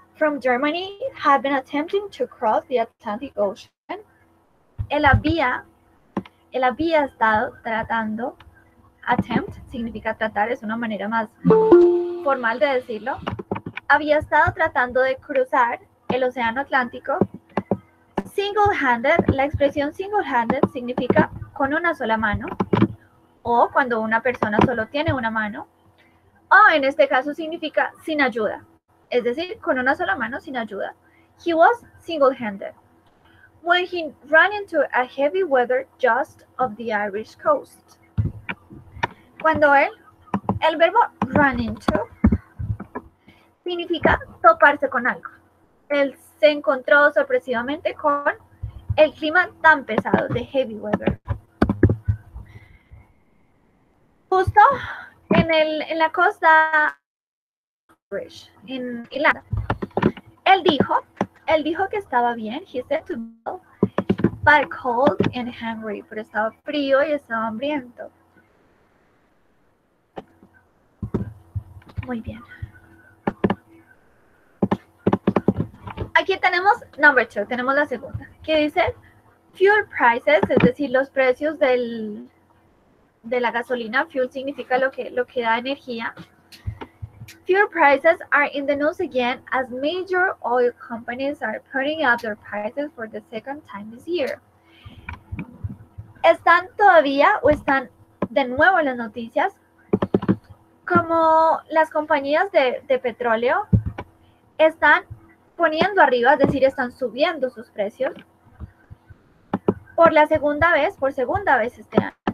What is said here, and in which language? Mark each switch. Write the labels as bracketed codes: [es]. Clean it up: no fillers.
[en] from Germany had been attempting to cross the Atlantic Ocean. [es] Él había estado tratando. Attempt significa tratar, es una manera más formal de decirlo. Había estado tratando de cruzar el Océano Atlántico. Single-handed, la expresión single-handed significa con una sola mano, o cuando una persona solo tiene una mano, o en este caso significa sin ayuda, es decir, con una sola mano, sin ayuda. [en] He was single-handed when he ran into a heavy weather just off the Irish coast. [es] Cuando el verbo run into significa toparse con algo. Él se encontró sorpresivamente con el clima tan pesado de heavy weather. Justo en la costa Irish, en Irlanda. Él dijo que estaba bien. [en] He said to be well, but cold and hungry. [es] Pero estaba frío y estaba hambriento. Muy bien. Aquí tenemos [en] number two, [es] tenemos la segunda, que dice fuel prices, es decir, los precios de la gasolina. Fuel significa lo que da energía. [en] Fuel prices are in the news again as major oil companies are putting up their prices for the second time this year. [es] Están todavía o están de nuevo en las noticias como las compañías de petróleo están poniendo arriba, es decir, están subiendo sus precios por segunda vez este año.